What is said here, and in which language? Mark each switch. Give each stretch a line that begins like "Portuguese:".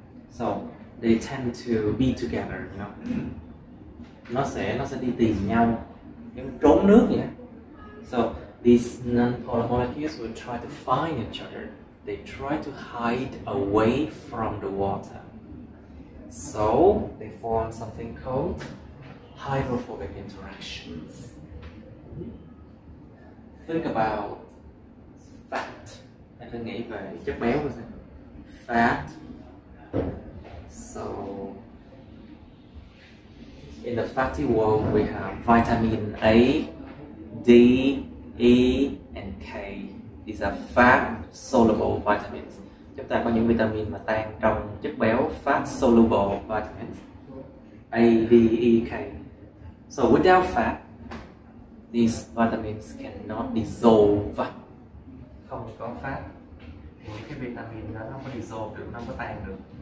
English: So they tend to be together, you know.
Vietnamese: Nó sẽ đi tìm nhau, giống trốn nước vậy.
English: So these non-polar molecules will try to find each other. They try to hide away from the water. So they form something called hydrophobic interactions. Think about fat.
Vietnamese: Anh đang nghĩ về chất béo rồi sao?
English: Fat. So in the fatty world, we have vitamin A, D, E, and K. These are fat soluble vitamins.
Vietnamese: Chúng ta có những vitamin mà tan trong chất béo,
English: fat soluble vitamins A, D, E, K. So without fat, these vitamins cannot dissolve.
Vietnamese: Không có fat thì cái vitamin đó nó không có dissolve được, nó không có tan được.